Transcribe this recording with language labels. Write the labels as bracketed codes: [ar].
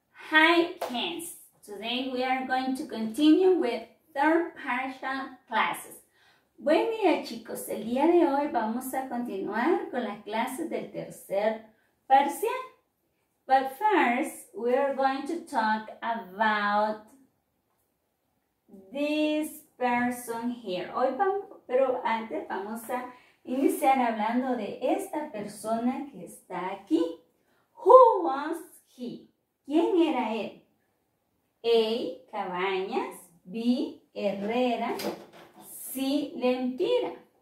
[en] Hi kids, today we are going to continue with third parasha classes. [es] Buen día chicos, el día de hoy vamos a continuar con las clases del tercer parasha. [en] But first, we are going to talk about this person here. [es] Pero antes vamos a iniciar hablando de esta persona que está aquí. [en] Who was he? [es] ¿Quién era él? [en] A. Cabañas. B. Herrera. C. Lempira.